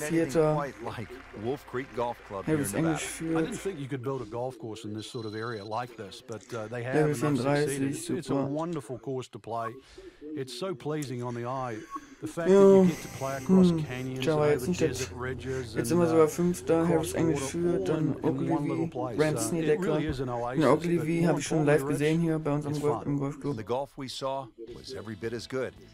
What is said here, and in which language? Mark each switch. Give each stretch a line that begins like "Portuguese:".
English: anything quite like Wolf Creek Golf Club here in Nevada. I didn't think you could build a golf course in this sort of area like this, but they have succeeded. It's a wonderful course to play. It's so pleasing on the eye. The fact that you get to play across canyons and over desert ridges.
German: Jetzt sind wir sogar fünfter, Harris English führt, dann Ogilvy, Grant Snedeker. Ja, Ogilvy habe ich schon live gesehen hier bei uns im Golfclub.
English: The golf we saw was every bit as good.